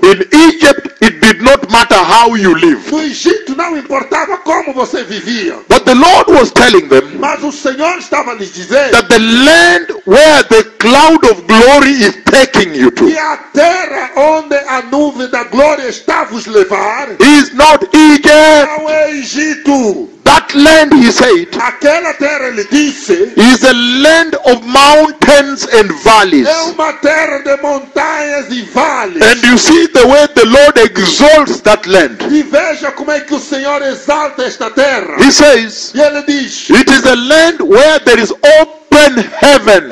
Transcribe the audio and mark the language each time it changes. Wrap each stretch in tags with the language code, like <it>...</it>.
<en>in Egypt, it did not matter how you live.</en> <pt>No Egito não importava como você vivia.</pt> <en>But the Lord was telling them.</en> <pt>Mas o Senhor estava lhes dizendo.</pt> <en>That the land where the cloud of glory is taking you to.</en> <pt>E a terra onde a nuvem da glória está vos levar.</pt> <en>Is not Egypt.</en> <pt>Não é Egito.</pt> <en>That land, he said,</en> <pt>aquela terra, ele disse,</pt> <en>is a land of mountains and valleys.</en> <pt>É uma terra de montanhas e vales.</pt> <en>And you see the way the Lord exalts that land.</en> <pt>E veja como é que o Senhor exalta esta terra.</pt> <en>He says,</en> <pt>e ele diz,</pt> <en>it is a land where there is open heaven.</en>